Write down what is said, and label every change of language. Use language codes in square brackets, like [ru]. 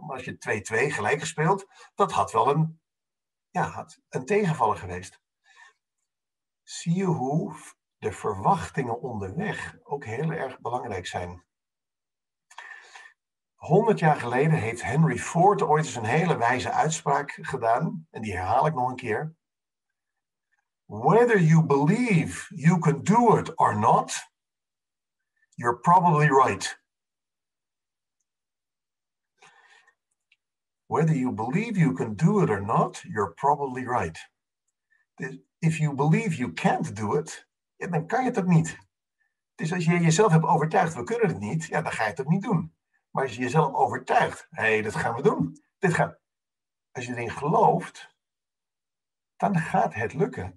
[nl] Als je 2-2 gelijk gespeeld, dat had wel een tegenvaller geweest. Zie je hoe de verwachtingen onderweg ook heel erg belangrijk zijn. 100 jaar geleden heeft Henry Ford ooit eens een hele wijze uitspraak gedaan. En die herhaal ik nog een keer. [en] Whether you believe you can do it or not, you're probably right. Whether you believe you can do it or not, you're probably right. If you believe you can't do it, [nl] ja, dan kan je het ook niet. Dus als je jezelf hebt overtuigd, we kunnen het niet, ja, dan ga je het ook niet doen. Maar als je jezelf overtuigt, hé, dat gaan we doen. Als je erin gelooft, dan gaat het lukken.